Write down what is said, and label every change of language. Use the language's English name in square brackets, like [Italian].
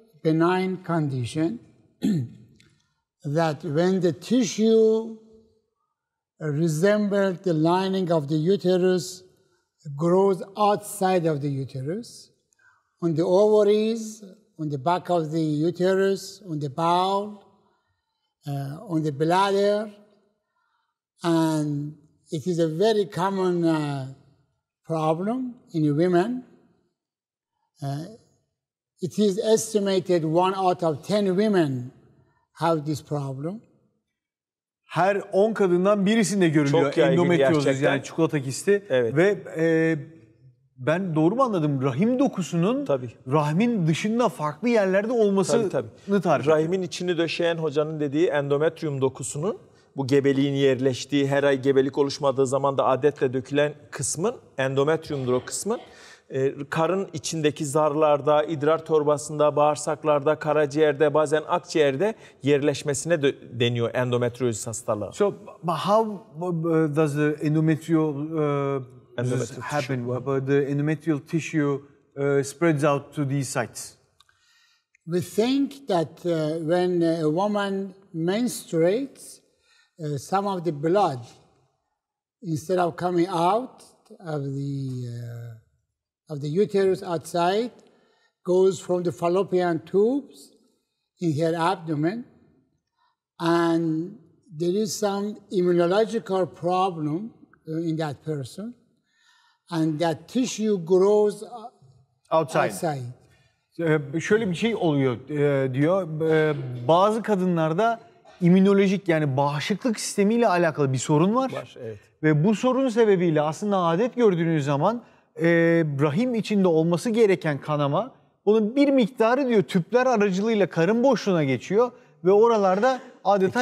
[English] benign condition that when the tissue resembles the lining of the uterus, grows outside of the uterus, on the ovaries, on the back of the uterus, on the bowel, on the bladder, and it is a very common problem in women. It is estimated 1 out of 10 women have this problem. [Turkish] Her 10 kadından birisinde görülüyor endometriyoz, yani çikolata kisti. Evet. Ve ben doğru mu anladım? Rahim dokusunun rahmin dışında farklı yerlerde olmasını tarif. Rahimin içini döşeyen hocanın dediği endometrium dokusunun, bu gebeliğin yerleştiği, her ay gebelik oluşmadığı zaman da adetle dökülen kısmın, endometriumdur o kısmın, karın içindeki zarlarda, idrar torbasında, bağırsaklarda, karaciğerde, bazen akciğerde yerleşmesine deniyor endometriozis hastalığı. [English] So, how does the endometriosis happen? The endometrial tissue spreads out to these sites? We think that when a woman menstruates, some of the blood, instead of coming out of the uterus outside, goes from the fallopian tubes in her abdomen, and there is some immunological problem in that person, and that tissue grows outside. [Turkish] Şöyle bir şey oluyor diyor, bazı kadınlarda immünolojik, yani bağışıklık sistemiyle alakalı bir sorun var. Evet. Ve bu sorun sebebiyle aslında adet gördüğünüz zaman rahim içinde olması gereken kanama, bunun bir miktarı diyor tüpler aracılığıyla karın boşluğuna geçiyor ve oralarda adeta